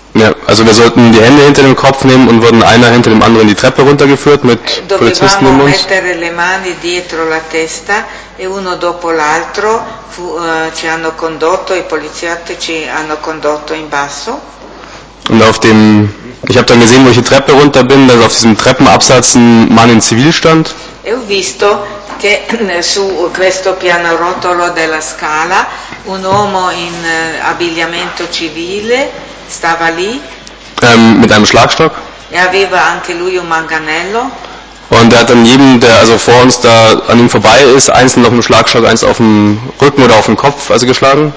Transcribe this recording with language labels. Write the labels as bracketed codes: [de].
[de] Ja, also wir sollten die Hände hinter dem Kopf nehmen und wurden einer hinter dem anderen die Treppe runtergeführt mit Polizisten um uns. [it] Mettere le mani dietro la testa e uno dopo l'altro ci hanno condotto, i poliziotti ci hanno condotto in basso. [de] Und auf dem, ich habe dann gesehen, wo ich die Treppe runter bin, dass auf diesem Treppenabsatz ein Mann in Zivil stand. [it] E ho visto che su questo pianerottolo della scala un uomo in abbigliamento civile stava lì. [de] Mit einem Schlagstock. [it] E aveva anche lui un manganello. [de] Und er hat dann jedem, der also vor uns da an ihm vorbei ist, einzeln auf dem Schlagstock, eins auf dem Rücken oder auf dem Kopf, also geschlagen.